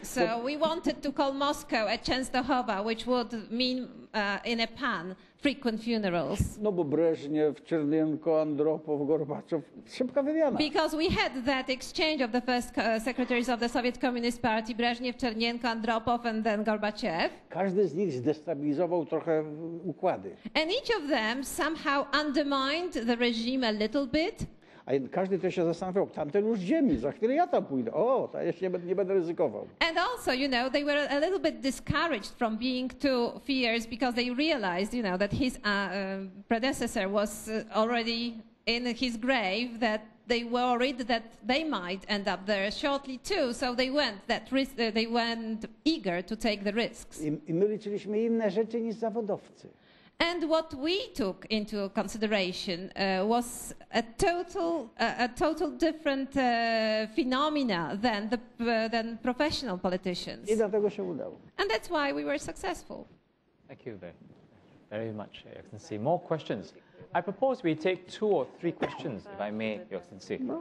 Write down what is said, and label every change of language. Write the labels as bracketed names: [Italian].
[English] So we wanted to call Moscow a Częstochowa, which would mean in a pun, frequent funerals. [Polish] No bo Breżniew, Czernienko, Andropow, Gorbaczow, szybka wymiana. [English] Because we had that exchange of the first secretaries of the Soviet Communist Party, Breżniew, Czernienko, Andropow and then Gorbachev. [Polish] Każdy z nich zdestabilizował trochę układy. [English] And each of them somehow undermined the regime a little bit. [Polish] A każdy też się zastanawiał, tamten już ziemi, za chwilę ja tam pójdę. O, to jeszcze nie będę ryzykował. [English] And also, you know, they were a little bit discouraged from being too fierce because they realized, you know, that his predecessor was already in his grave, that they worried that they might end up there shortly too, so they weren't that they weren't eager to take the risks. [Polish] I my liczyliśmy inne rzeczy niż zawodowcy. [English] And what we took into consideration was a total different phenomena than professional politicians. [Polish] I dlatego się udało. [English] And that's why we were successful. Thank you, Ben. very much, Your Excellency. More questions. I propose we take two or three questions, if I may, Your Excellency.